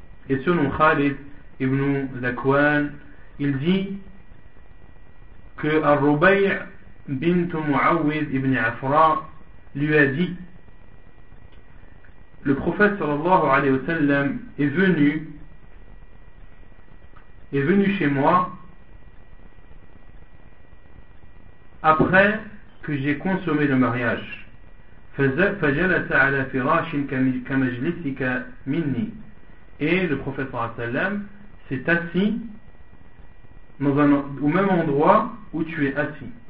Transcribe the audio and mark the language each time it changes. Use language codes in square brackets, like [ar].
[fr] Et selon Khalid ibn Zakwan, il dit que Ar-Rubay' bint Mu'awwid ibn Afra lui a dit: le prophète sallallahu alayhi wa sallam est venu chez moi après que j'ai consommé le mariage. [ar] فجلس على فراش كمجلسك مني. [fr] Et le prophète sallallahu alayhi wa sallam s'est assis au même endroit où tu es assis.